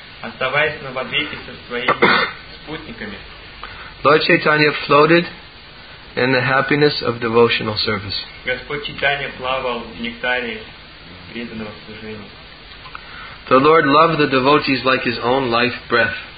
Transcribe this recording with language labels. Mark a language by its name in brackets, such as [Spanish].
[Russian] Оставаясь на воде и со своими спутниками [English] Lord Chaitanya floated in the happiness of devotional service. [Russian] Господь Чайтанья плавал в нектаре [English] The Lord loved the devotees like His own life breath.